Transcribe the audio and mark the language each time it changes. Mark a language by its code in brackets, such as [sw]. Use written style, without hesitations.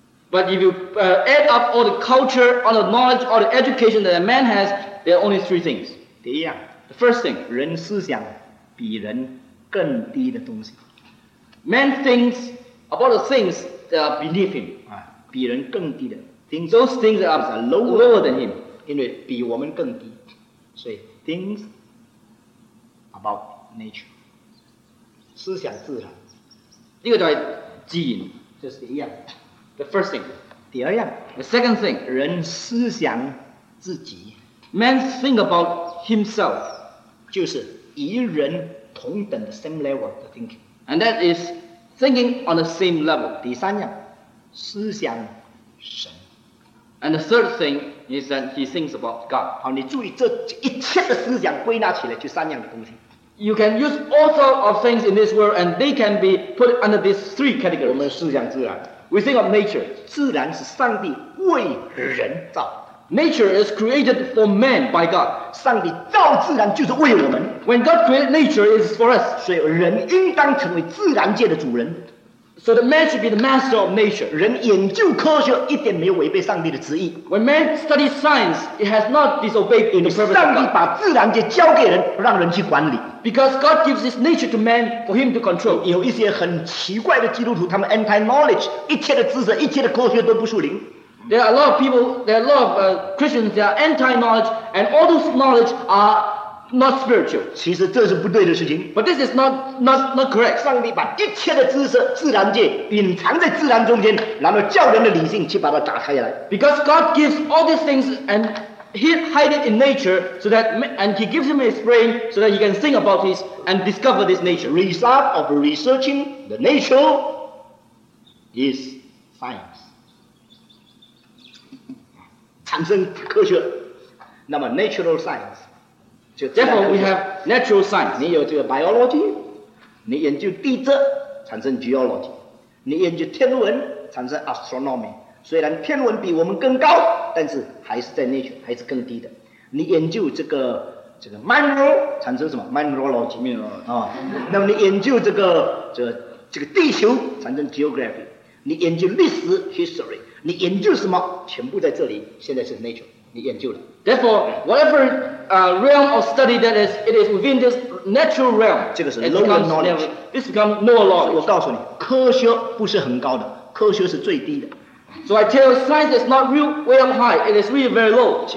[en] But if you add up all the culture, all the knowledge, all the education that a man has, there are only three things. [zh] 第一样, [en] the first thing, [zh] 人思想比人更低的东西。 [en] Man thinks about the things that are beneath him. [zh] 比人更低的, [en] things, those things that are lower than him. [zh] 因为比我们更低, 所以 [en] things about nature. [zh] 思想自然, 这个叫基因, 这是一样。 [en] The first thing. [zh] 第二样, [en] the second thing. [zh] 人思想自己, [en] man think about himself. [zh] 就是与人同等, [en] the same level of thinking. And that is thinking on the same level. [zh] 第三样, 思想神, [en] and the third thing is that he thinks about God. [zh] 好, 你注意这一切的思想归纳起来就三样的东西。 [en] You can use all sorts of things in this world and they can be put under these three categories. [zh] 我们思想自然。 [en] We think of nature. [zh] 自然是上帝为人造。 [en] Nature is created for man by God. [zh] 上帝造自然就是为我们。 [en] When God created nature, it is for us. [zh] 所以人应当成为自然界的主人。 [en] So the man should be the master of nature. [zh] 人研究科学一点没有违背上帝的旨意。 [en] When man studies science, it has not disobeyed the purpose of God. [zh] 上帝把自然界交给人，让人去管理。 [en] Because God gives this nature to man for him to control. [zh] 有一些很奇怪的基督徒，他们 [en] anti knowledge， [zh] 一切的知识，一切的科学都不属灵。 [en] There are a lot of people. There are a lot of Christians. They are anti knowledge, and all those knowledge are not spiritual. [zh] 其实这是不对的事情。 [en] But this is not correct. [zh] 上帝把一切的知识，自然界隐藏在自然中间，然后叫人的理性去把它打开来。 [en] Because God gives all these things and he hide it in nature so that and he gives him his brain so that he can think about this and discover this nature. Result of researching the nature is science. [zh] 产生科学，那么 [en] natural science. [zh] 就自然科学, [en] therefore we have natural science. [zh] 你有这个 biology, 你研究地质产生 geology, 你研究天文产生 astronomy. 虽然天文比我们更高。 但是还是在 nature， 还是更低的。你研究这个这个 micro 产生什么 mineralogy 啊、哦？那么你研究这个地球产生 geography， 你研究历史 history， 你研究什么？全部在这里，现在是 nature， 你研究了。 [en] Therefore, whatever realm of study that is, it is within this natural realm. [zh] 这个是 [en] lower knowledge. This becomes lower knowledge. [zh] 我告诉你，科学不是很高的，科学是最低的。 [en] So I tell you, science is not real well high, it is really very low.